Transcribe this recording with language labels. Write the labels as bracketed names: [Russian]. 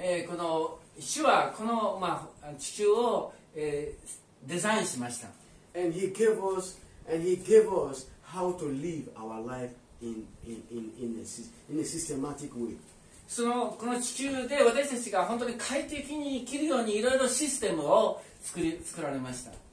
[Japanese] この主はこの、まあ、地球を、デザインしました。 [English] And he gave us, how to live our life in a systematic way. [Japanese] そのこの地球で私たちが本当に快適に生きるようにいろいろシステムを作られました。